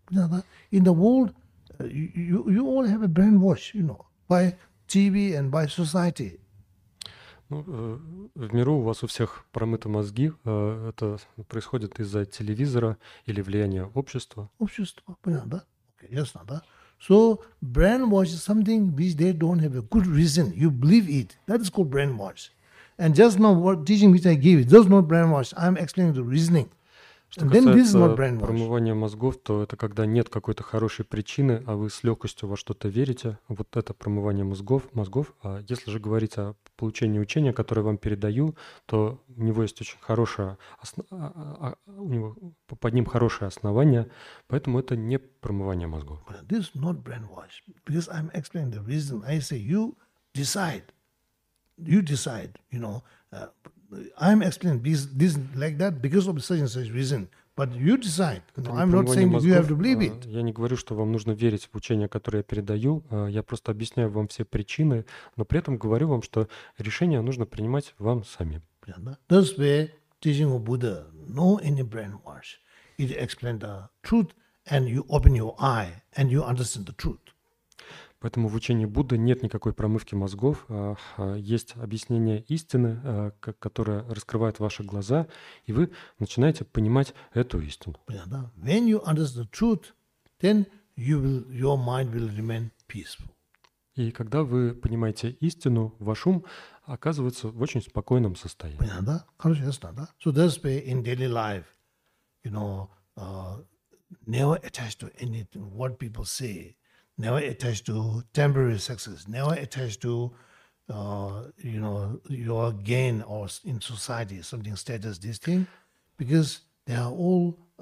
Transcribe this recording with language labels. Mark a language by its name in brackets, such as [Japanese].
[English] In the world, you all have a brainwash, you know, by TV and by society. [Russian] Ну, в миру у вас у всех промыты мозги. Это происходит из-за телевизора или влияния общества. Общество, понятно, да? [English] Okay, [Russian] ясно, да? [English] So, brainwash is something which they don't have a good reason. You believe it. That is called brainwash. And just now, what teaching which I give, it does not brainwash. I'm explaining the reasoning. [Russian] Что касается промывания мозгов, то это когда нет какой-то хорошей причины, а вы с легкостью во что-то верите. Вот это промывание мозгов. А если же говорить о получении учения, которое вам передаю, то у него есть очень хорошее у него под ним хорошее основание, поэтому это не промывание мозгов. [English] This is not brainwash, because I'm explaining the reason. I say you decide, you know. I'm explaining this like that because of such and such reason. But you decide. I'm not saying [Russian] мозгов, [English] you have to believe it. [Russian] Я не говорю, что вам нужно верить в учение, которое я передаю. Я просто объясняю вам все причины, но при этом говорю вам, что решение нужно принимать вам самим. [English] That's where teaching of Buddha, no any brainwash. It explains the truth, and you open your eye, and you understand the truth. [Russian] Поэтому в учении Будды нет никакой промывки мозгов, есть объяснение истины, которое раскрывает ваши глаза, и вы начинаете понимать эту истину. Понятно? [English] When you understand the truth, then your mind will remain peaceful. [Russian] И когда вы понимаете истину, ваш ум оказывается в очень спокойном состоянии. Понятно, да? Короче, ясно, да? [English] So that's why in daily life, you know, never attached to anything, what people say, never attached to temporary success, never attached to, you know, your gain or in society, something status, this thing, because they are all...